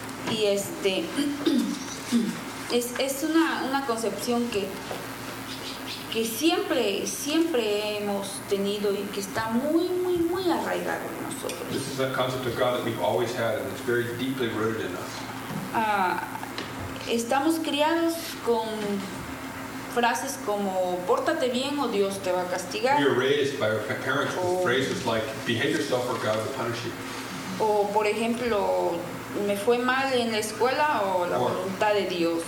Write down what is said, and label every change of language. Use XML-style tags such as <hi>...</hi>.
<es>Y este es una concepción que siempre hemos tenido y que está muy, muy, muy arraigado en nosotros.</es> <en>This is a concept of God that we've always had and it's very deeply rooted in us.</en> <es>Estamos criados con frases como pórtate bien o Dios te va a castigar.</es> <en>We are raised by our parents with phrases like behave yourself or God will punish you.</en> <es>O por ejemplo, me fue mal en la escuela o la voluntad de Dios.</es>